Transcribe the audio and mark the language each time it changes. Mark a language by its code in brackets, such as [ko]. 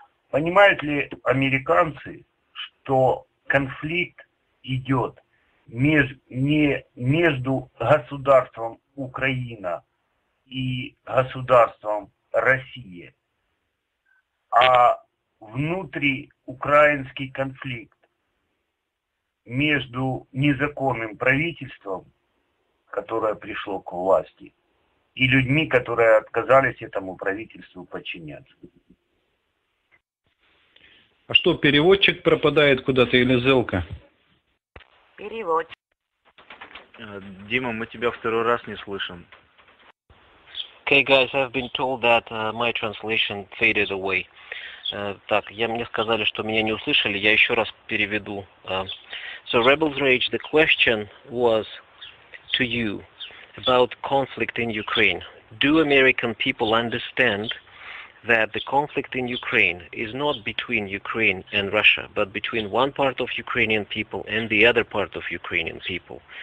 [ru] Понимают ли американцы, что конфликт идет между государством Украина и государством Россия, а внутриукраинский конфликт между незаконным правительством, которое пришло к власти, и людьми, которые отказались этому правительству подчиняться. А что, переводчик пропадает куда-то или Зелка? Переводчик. Дима, мы тебя второй раз не слышим. [en] Okay, guys, I've been told that my translation faded away. [ru] Так, мне сказали, что меня не услышали, я еще раз переведу. [en] So, Rebel's Rage, the question was to you about conflict in Ukraine. Do American people understand that the conflict in Ukraine is not between Ukraine and Russia, but between one part of Ukrainian people and the other part of Ukrainian people?